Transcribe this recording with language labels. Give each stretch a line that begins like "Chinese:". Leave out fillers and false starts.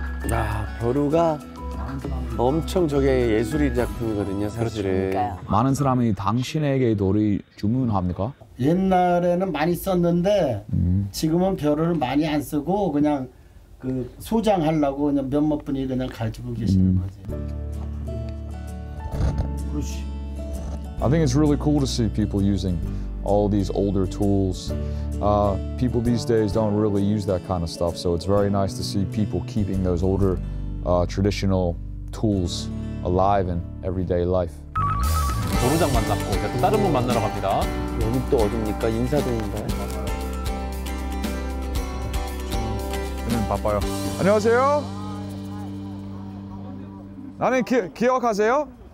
Korean: 야, 벼루가 엄청 저게 예술의 작품이거든요, 사실은. 그러니까요. 많은 사람이 당신에게 돌이 주문합니까? 옛날에는 많이 썼는데 지금은 벼루를 많이 안 쓰고 그냥 그 소장하려고 그냥 몇몇 분이 그냥 가지고 계시는 거지.
English: I think it's really cool to see people using all these older tools. People these days don't really use that kind of stuff, so it's very nice to see people keeping those older traditional tools alive in everyday life.
Korean: 도로장 만났고 이제 또 다른 분 만나러 갑니다. 여기 또 어딥니까? 인사드린가요? 바빠요. 안녕하세요. 나는 기억하세요?